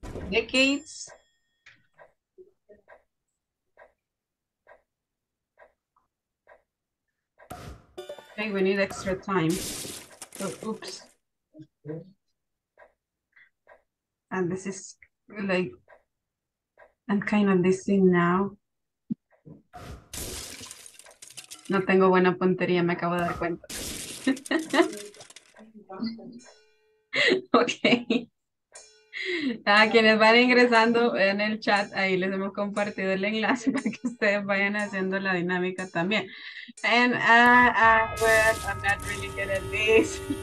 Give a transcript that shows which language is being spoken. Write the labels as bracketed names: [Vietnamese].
[English] Decades, okay. We need extra time. Oh, oops, and this is like. I'm kind of dizzy now. [Spanish] No tengo buena puntería, me acabo de dar cuenta. Okay. A quienes van ingresando en el chat, ahí les hemos compartido el enlace para que ustedes vayan haciendo la dinámica también. [English] And well, I'm not really good at this.